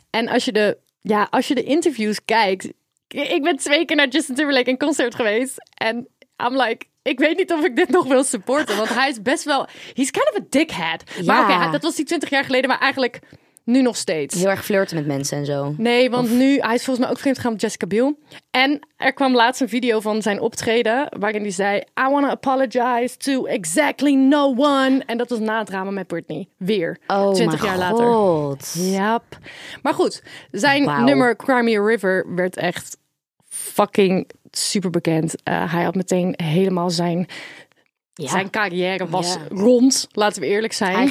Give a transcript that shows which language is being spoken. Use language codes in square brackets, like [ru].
[nl] En als je de interviews kijkt, ik ben twee keer naar Justin Timberlake in concert geweest en [en] I'm like, [nl] ik weet niet of ik dit nog wil supporten. Want hij is best wel... [en] He's kind of a dickhead. [nl] Ja. Maar oké, dat was die 20 jaar geleden. Maar eigenlijk nu nog steeds. Heel erg flirten met mensen en zo. Nee, want nu... Hij is volgens mij ook vreemd gegaan met Jessica Biel. En er kwam laatst een video van zijn optreden. Waarin hij zei... [en] I wanna apologize to exactly no one. [nl] En dat was na het drama met Britney. Weer. Oh 20 jaar God. Later. Yep. Maar goed. Zijn nummer Cry Me a River werd echt fucking... super bekend. Hij had meteen helemaal zijn carrière was rond, laten we eerlijk zijn.